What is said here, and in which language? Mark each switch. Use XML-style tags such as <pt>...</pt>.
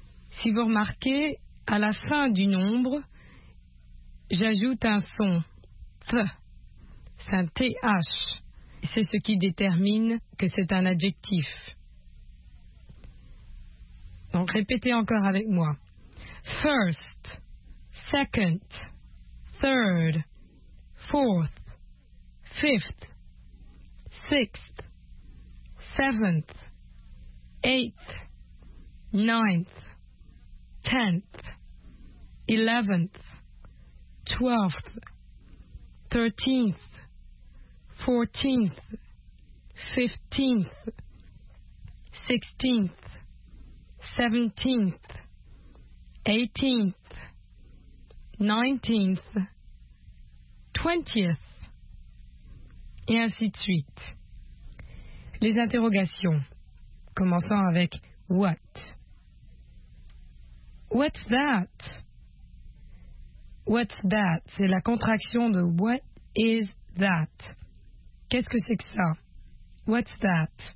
<fr>Si vous remarquez, à la fin du nombre, j'ajoute un son th, c'est un th. C'est ce qui détermine que c'est un adjectif. Donc répétez encore avec moi.</fr> <en>First, second, third, fourth, fifth, sixth, seventh, eighth, ninth, tenth, 11th, 12th, 13th, 14th, 15th, 16th, 17th, 18th, 19th, 20th,</en> <fr>et ainsi de suite. Les interrogations, commençant avec what?</fr> <en>What's that? What's that?</en> <fr>C'est la contraction de</fr> <en>what is that?</en> <fr>Qu'est-ce que c'est que ça?</fr> <en>What's that?</en>